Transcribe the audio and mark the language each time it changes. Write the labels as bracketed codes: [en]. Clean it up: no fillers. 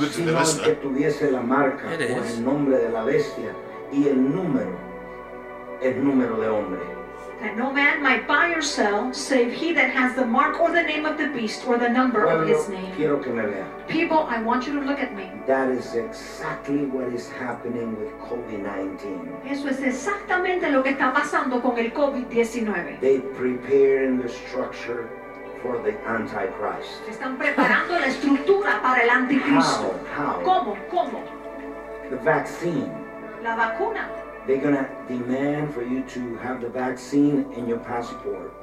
[es] el que tuviese la marca o el nombre de la bestia y el número de hombre. [en] that no man might buy or sell, save he that has the mark or the name of the beast or the number [es] pueblo, [en] of his name. [es] Quiero que me vean. [en] People, I want you to look at me. That is exactly what is happening with COVID-19. [es] Eso es exactamente lo que está pasando con el COVID-19. [en] They prepare in the structure for the Antichrist. [es] Están preparando la estructura para el anticristo. [en] How? How? [es] ¿Cómo? ¿Cómo? [en] The vaccine. [es] La vacuna. [en] They're going to demand for you to have the vaccine in your passport